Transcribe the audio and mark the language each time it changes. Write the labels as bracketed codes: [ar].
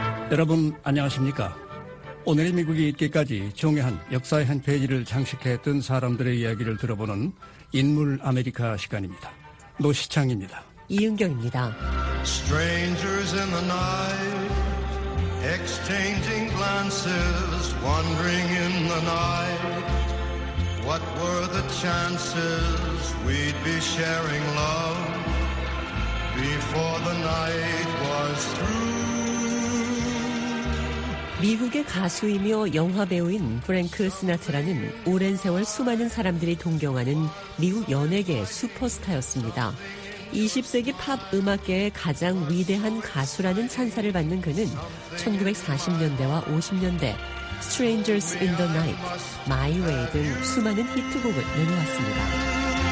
[ko] 여러분, 안녕하십니까? 오늘의 미국이 있기까지 중요한 역사의 한 페이지를 장식했던 사람들의 이야기를 들어보는 인물 아메리카 시간입니다. 노시창입니다. 이은경입니다. [en] Strangers in the night, exchanging glances, wandering in the night. What were the chances we'd be sharing love before the night was through? [ko] 미국의 가수이며 영화배우인 프랭크 시나트라는 오랜 세월 수많은 사람들이 동경하는 미국 연예계 슈퍼스타였습니다. 20세기 팝 음악계의 가장 위대한 가수라는 찬사를 받는 그는 1940년대와 50년대 Strangers in the Night, My Way 등 수많은 히트곡을 내놓았습니다.